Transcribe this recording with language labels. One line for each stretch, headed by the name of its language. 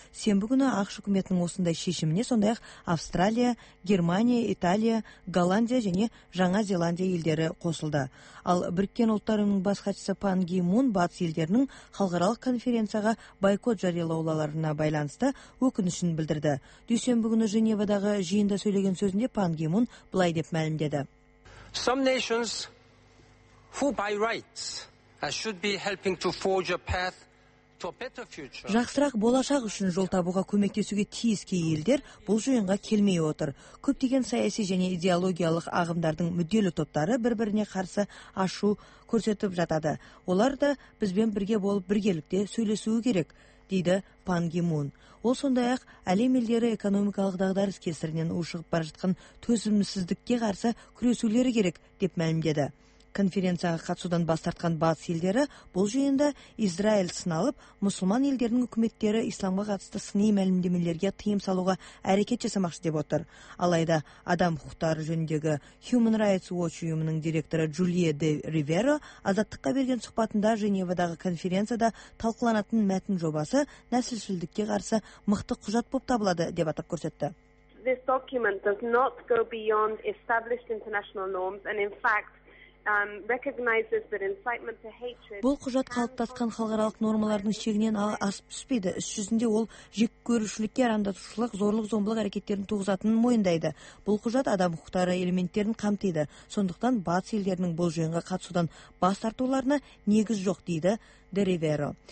Kazakh: Сенбі күні ақш үкіметінің осындай шешіміне сондай-ақ Австралия, Германия, Италия, Голландия және Жаңа Зеландия елдері қосылды. Ал Біріккен Ұлттар ұйымының бас хатшысы Пан Ги Мун батыс елдерінің халықаралық конференцияға байкот жариялау олаларына байланысты өкінішін білдірді. Дүйсенбі күні Женевадағы жиында сөйлеген сөзінде Пан Ги Мун былай деп мәлімдеді.
English: Some nations who by rights should be helping to forge a path.
Kazakh: Жақсырақ болашақ үшін жол табуға көмектесуге тиіс кей елдер бұл жиынға келмей отыр. Көптеген саяси және идеологиялық ағымдардың мүдделі топтары бір-біріне қарсы ашу көрсетіп жатады. Олар да бізбен бірге болып біргелікте сөйлесуі керек, дейді Пан Ги Мун. Ол сондай-ақ әлем елдері экономикалық дағдарыс кесірінен ушығып бара жатқан төзімсіздікке қарсы күресулері керек, деп мәлімдеді. Конференцияға қатысудан бас тартқан батыс елдері бұл жиында Израиль сыналып, мұсылман елдерінің үкіметтері исламға қатысты сыни мәлімдемелерге тыйым салуға әрекет жасамақшы деп отыр. Алайда адам құқықтары жөніндегі Human Rights Watch ұйымының директоры Джулия де Риверо азаттыққа берген сұхбатында Женевадағы конференцияда талқыланатын мәтін жобасы нәсілшілдікке қарсы мықты құжат болып табылады, деп атап көрсетті.
English: This document does not go beyond established international norms and in fact recognizes that incitement to hatred.
Kazakh: Бұл құжат қалыптасқан халықаралық нормалардың шегінен асып түспейді. Іс жүзінде ол жек көрушілікке, арандатушылық, зорлық-зомбылық әрекеттерін туғызатынын мойындайды. Бұл құжат адам құқықтары элементтерін қамтиды. Сондықтан батыс елдерінің бұл жиынға қатысудан бас тартуларына негіз жоқ, дейді Де Риверо.